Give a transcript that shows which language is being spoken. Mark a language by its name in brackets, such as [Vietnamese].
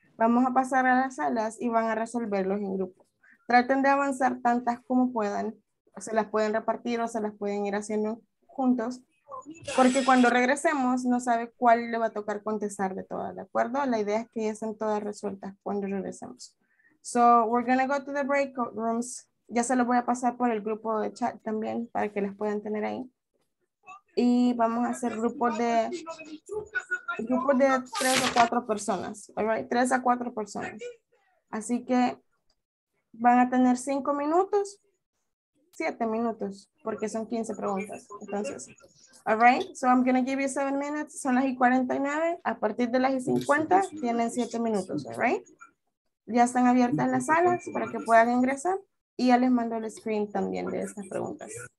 [Spanish] Vamos a pasar a las salas y van a resolverlos en grupos. Traten de avanzar tantas como puedan. Se las pueden repartir o se las pueden ir haciendo juntos. Porque cuando regresemos, no sabe cuál le va a tocar contestar de todas, ¿de acuerdo? La idea es que ya estén todas resueltas cuando regresemos. [English] So, we're going to go to the breakout rooms. [Spanish] Ya se los voy a pasar por el grupo de chat también para que las puedan tener ahí. Y vamos a hacer grupos de 3 o 4 personas. All right, 3 a 4 personas. Así que van a tener 7 minutos, porque son 15 preguntas. [English] Entonces, all right, so I'm going to give you 7 minutes. [Spanish] Son las y 49. A partir de las y 50, tienen 7 minutos. All right. Ya están abiertas las salas para que puedan ingresar y ya les mando el screen también de estas preguntas.